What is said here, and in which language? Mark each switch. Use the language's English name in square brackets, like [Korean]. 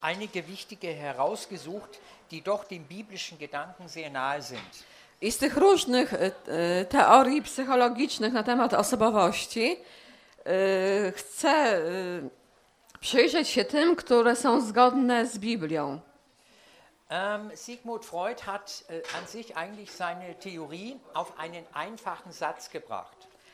[German] einige wichtige herausgesucht, die doch dem biblischen Gedanken sehr nahe sind. [Polish] I z tych różnych teorii psychologicznych na temat osobowości chcę przyjrzeć się tym, które są zgodne z Biblią. [German] Sigmund Freud hat an sich eigentlich seine Theorie auf einen einfachen Satz gebracht.